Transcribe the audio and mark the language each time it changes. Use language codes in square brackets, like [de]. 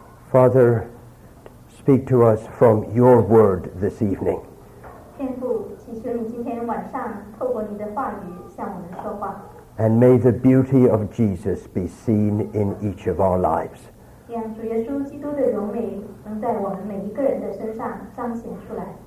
[en] Father, speak to us from your word this evening. [zh] 天父，祈求你今天晚上透过你的话语向我们说话。 [en] And may the beauty of Jesus be seen in each of our lives. [zh] 愿主耶稣基督的荣美能在我们每一个人的身上彰显出来。